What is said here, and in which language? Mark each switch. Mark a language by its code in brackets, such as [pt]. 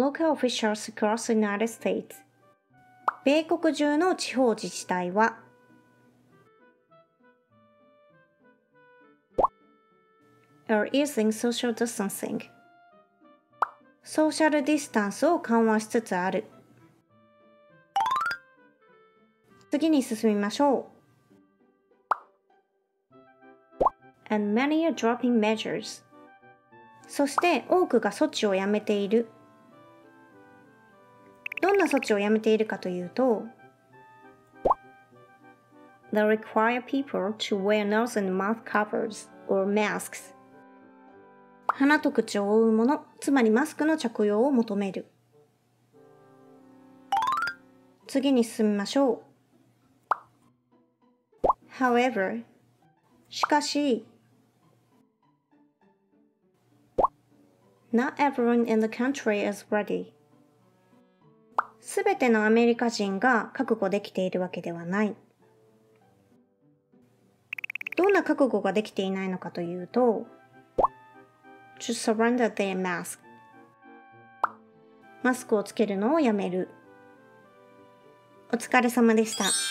[en] Local officials across the United States [ja] 米国中の地方自治体は。 [en] Are easing social distancing. [ja] ソーシャルディスタンスを緩和しつつある。次に進みましょう。 [en] And many are dropping measures. [ja] そして多くが措置をやめている。どんな措置をやめているかというと、 [en] They require people to wear nose and mouth covers or masks. [ja] 鼻と口を覆うもの、つまりマスクの着用を求める。次に進みましょう。 [en] However, [ja] しかし、 [en] Not everyone in the country is ready. [ja] すべてのアメリカ人が覚悟できているわけではない。どんな覚悟ができていないのかというと、 [en] To surrender their mask. [ja] マスクをつけるのをやめる。お疲れ様でした。